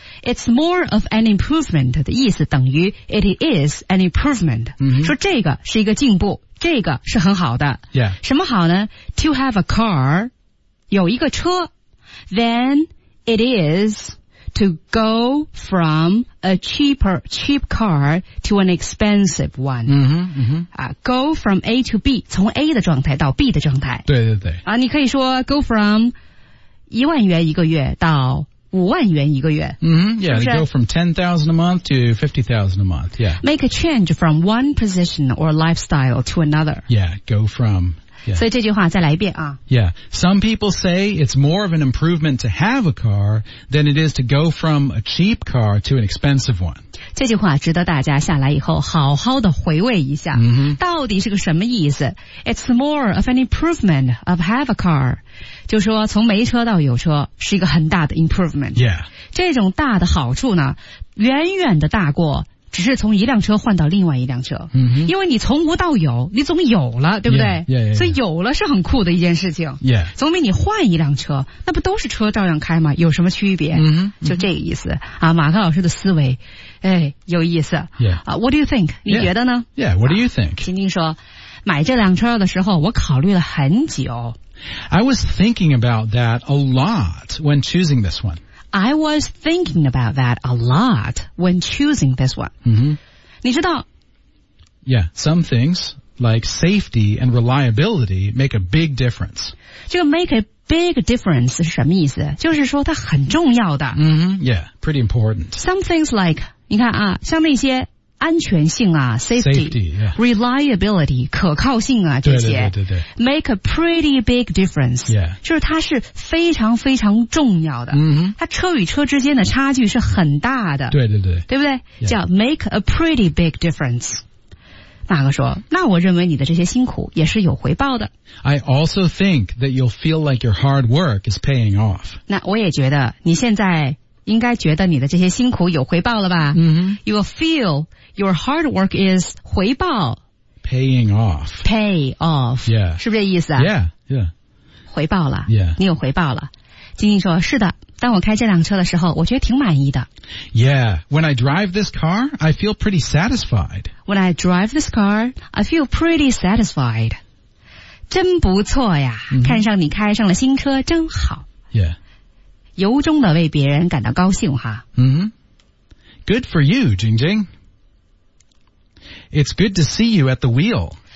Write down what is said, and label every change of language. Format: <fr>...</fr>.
<en>It's more of an improvement</en> <zh>的意思等于</zh> <en>it is an improvement.、 Mm-hmm.</en> <zh>说这个是一个进步，这个是很好的。</zh> <en>Yeah.</en> <zh>什么好呢？</zh> <en>To have a car,</en> <zh>有一个车，</zh> <en>then it is to go from a cheap car to an expensive one. Mm-hmm, mm-hmm. Go from A to B,</en> <zh>从 A 的状态到 B 的状态。对对对。你可以说</zh> <en>go from...</en> <zh>一万元一个月到五万元一个月。</zh> <en>Yeah, you go from 10,000 a month to 50,000 a month, yeah. Make a change from one position or lifestyle to another. Yeah, go from, yeah.</en> <zh>所以这句话再来一遍啊。</zh> <en>Yeah, some people say it's more of an improvement to have a car than it is to go from a cheap car to an expensive one.</en> <zh>这句话值得大家下来以后好好的回味一下。 Mm-hmm. 到底是个什么意思？</zh> <en>It's more of an improvement of have a car.</en> <zh>就说从没车到有车是一个很大的 improvement、</zh> <en>yeah.</en> <zh>这种大的好处呢远远的大过只是从一辆车换到另外一辆车、 mm-hmm. 因为你从无到有你总有了对不对</zh> <en>yeah, yeah, yeah, yeah.</en> <zh>所以有了是很酷的一件事情、</zh> <en>yeah.</en> <zh>总比你换一辆车那不都是车照样开吗有什么区别、 mm-hmm. 就这个意思啊，马克老师的思维哎，有意思、</zh> <en>yeah. What do you think</en> <zh>你觉得呢</zh> <en>yeah. Yeah, what do you think</en> <zh>婷婷说买这辆车的时候我考虑了很久</zh> <en>I was thinking about that a lot when choosing this one. I was thinking about that a lot when choosing this one. Mm-hmm.</en> <zh>你知道?</zh> <en>Yeah, some things like safety and reliability make a big difference.</en> <zh>这个</zh> <en>make a big difference</en> <zh>是什么意思?就是说它很重要的。</zh> <en>Mm-hmm. Yeah, pretty important. Some things like,</en> <zh>你看啊,像那些安全性啊 safety,</zh> <en>safety、yeah.</en> <zh>reliability 可靠性啊这些对对对对对</zh> <en>make a pretty big difference、 yeah.</en> <zh>就是它是非常非常重要的、 mm-hmm. 它车与车之间的差距是很大的对对对对不对、</zh> <en>yeah.</en> <zh>叫</zh> <en>make a pretty big difference</en> <zh>马哥说那我认为你的这些辛苦也是有回报的</zh> <en>I also think that you'll feel like your hard work is paying off</en> <zh>那我也觉得你现在应该觉得你的这些辛苦有回报了吧、 mm-hmm.</zh> <en>You will feel your hard work is</en> <zh>回报</zh> <en>Paying off Pay off、 yeah.</en> <zh>是不是这意思啊</zh> <en>yeah. Yeah.</en> <zh>回报了、</zh> <en>yeah.</en> <zh>你有回报了金星说是的当我开这辆车的时候我觉得挺满意的</zh> <en>Yeah, when I drive this car, I feel pretty satisfied When I drive this car, I feel pretty satisfied</en> <zh>真不错呀、 mm-hmm. 看上你开上了新车真好</zh> <en>Yeah</en> <zh>由衷的为别人感到高兴哈。</zh> <en>Mm-hmm. Good for you, Jingjing. It's good to see you at the wheel.</en>